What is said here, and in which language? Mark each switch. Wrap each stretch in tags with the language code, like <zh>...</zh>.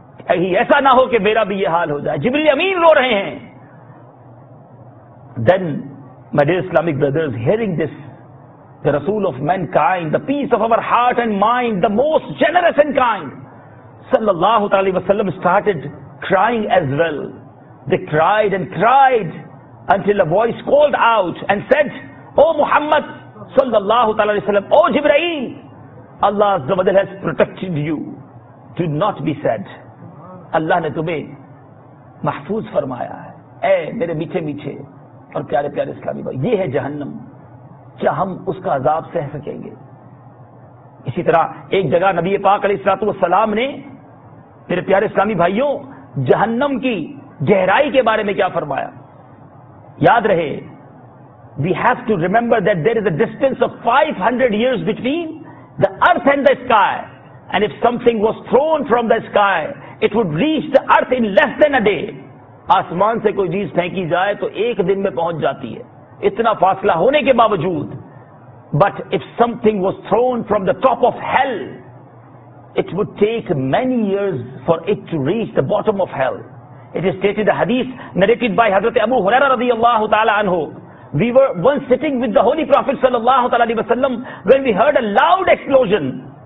<ur>ایسا نہ ہو کہ میرا بھی یہ حال ہو جائے. جبریل امین رو رہے ہیں.</ur> <en>Then, my dear Islamic brothers, hearing this, the Rasul of mankind, the peace of our heart and mind, the most generous and kind, sallallahu alaihi wasallam started crying as well. They cried and cried until a voice called out and said, O Muhammad, sallallahu alaihi wasallam, O Jibreel, Allah Azza wa Jal has protected you. Do not be sad.</en> <ur>اللہ نے تمہیں محفوظ فرمایا ہے. اے میرے میٹھے میٹھے اور پیارے پیارے اسلامی بھائی, یہ ہے جہنم. کیا ہم اس کا عذاب سہ سکیں گے؟ اسی طرح ایک جگہ نبی پاک علیہ الصلوۃ والسلام نے میرے پیارے اسلامی بھائیوں جہنم کی گہرائی کے بارے میں کیا فرمایا. یاد رہے,</ur> <en>We have to remember that there is a distance of 500 years between the earth and the sky, and if something was thrown from the sky it would reach the earth in less than a day.</en> <ur>آسمان سے کوئی چیز پھینکی جائے تو ایک دن میں پہنچ جاتی ہے, اتنا فاصلہ ہونے کے باوجود.</ur> <en>But if something was thrown from the top of hell, it would take many years for it to reach the bottom of hell. It is stated in the hadith narrated by Hazrat Abu Huraira radiyallahu ta'ala anhu. We were once sitting with the Holy Prophet sallallahu ta'ala alayhi wa sallam when we heard a loud explosion.</en>